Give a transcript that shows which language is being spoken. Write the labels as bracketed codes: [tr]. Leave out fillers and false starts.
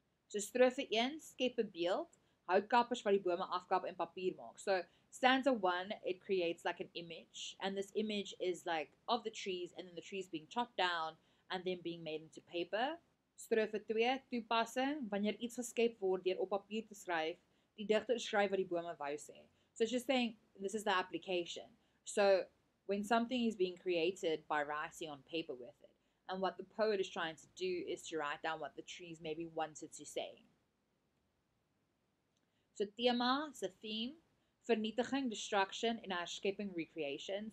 [af] So strofe 1, skep 'n beeld, houtkappers wat die bome afkap en papier maak. [en] So stanza 1, it creates like an image. And this image is like of the trees and then the trees being chopped down and then being made into paper. [af] Strofe 2, toepassing, wanneer iets geskep word deur op papier te skryf, die digter skryf wat die bome wou sê. [en] So it's just saying, this is the application. So when something is being created by writing on paper with it, and what the poet is trying to do is to write down what the trees maybe wanted to say. So tema is a theme, vernietiging, destruction, en herskepping, recreation.